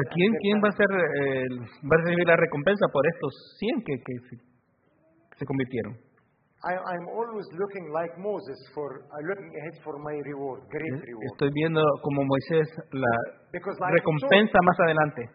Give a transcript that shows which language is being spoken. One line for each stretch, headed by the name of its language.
Spanish: ¿Quién va a ser va a recibir la recompensa por estos 100 que se convirtieron?
English: I'm always looking like Moses for looking ahead for my reward, great reward.
Spanish: Estoy viendo como Moisés la
English: Because
Spanish: recompensa más adelante.